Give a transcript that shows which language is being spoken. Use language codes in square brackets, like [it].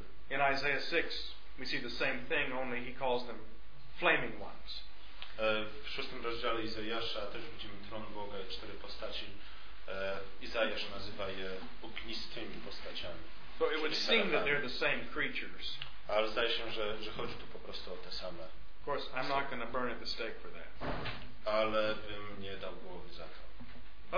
[en] In Isaiah 6, we see the same thing, only he calls them flaming ones. [pl] W szóstym rozdziale Izajasza też widzimy tron Boga i cztery postaci. Izajasz nazywa je ognistymi postaciami. [en] So it would seem that they're the same creatures. [pl] Ale zdaje się, że chodzi tu po prostu o te same. [en] Of course, I'm not going to burn at the stake for that. [pl] Ale bym nie dał głowy za to.